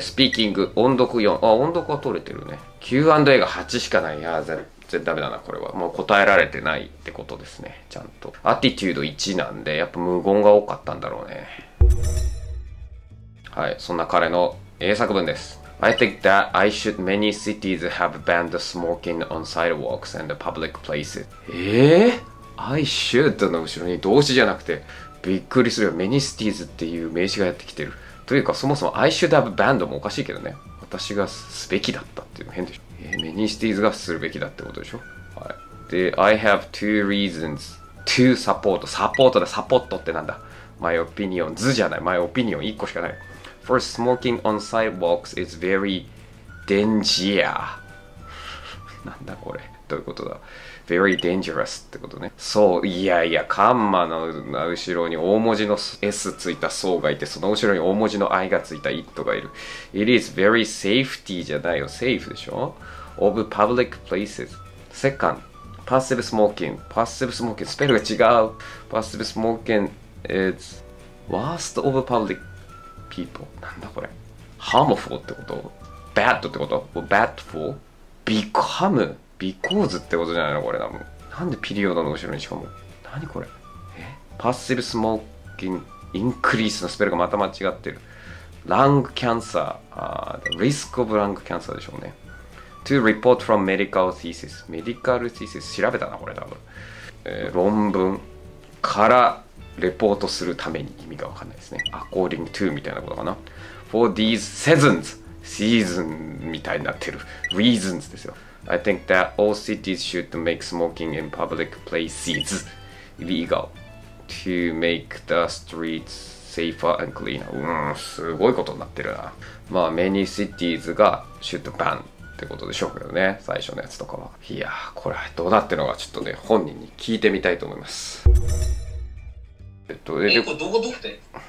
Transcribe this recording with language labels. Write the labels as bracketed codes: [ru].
[ja] スピーキング、音読4。あ、音読は取れてるね。Q&A が8しかない。いや、全然ダメだな、これは。もう答えられてないってことですね、ちゃんと。アティチュード1なんで、やっぱ無言が多かったんだろうね。はい、そんな彼の英作文です。 [en] I think that I should many cities have banned smoking on sidewalks and public places. [ja] I should の後ろに動詞じゃなくて、びっくりするよ。 many cities っていう名詞がやってきてる。というか、そもそも I should have banned もおかしいけどね。私がすべきだったっていうの変でしょ。メニシティーズがするべきだってことでしょ、はい、で、 [en] I have two reasons to support. [ja] サポートだ、サポットってなんだ。 [en] My opinion, [ja] 図じゃない。 [en] My opinion, [ja] 1個しかない。 [en] First, smoking on sidewalks is very dangerous. [ja] なんだこれ。どういうことだ。 [en] Very dangerous [ja] ってことね。そう、いやいや、カンマの後ろに大文字の S ついた層がいて、その後ろに大文字の I がついた It がいる。 [en] It is very safety [ja] じゃないよ。 [en] Safe [ja] でしょ。 [en] Of public places. Second, passive smoking. Passive smoking. [ja] スペルが違う。 [en] Passive smoking is worst of public people. [ja] なんだこれ。 Harmful ってこと。 Bad ってこと。 [en] Bad for become because [ja] ってことじゃないのこれ。なんでピリオドの後ろにしかも。何これ。 [en] Passive smoking increase [ja] のスペルがまた間違ってる。 [en] Lung cancer. Risk of lung cancer [ja] でしょうね。 [en] To report from medical thesis. [ja] Medical thesis 調べたな、これ多分。論文からレポートするために意味がわかんないですね。 [en] According to [ja] みたいなことかな。 [en] For these seasons. [ja] Season みたいになってる。Reasons ですよ。 [en] I think that all cities should make smoking in public places illegal. to make the streets safer and cleaner。 [ja] うん、すごいことになってるな。まあ、 [en] many cities [ja] が [en] shoot ban [ja] ってことでしょうけどね、最初のやつとかは。いやー、これはどうなってるのかちょっとね、本人に聞いてみたいと思います。これどこ撮って、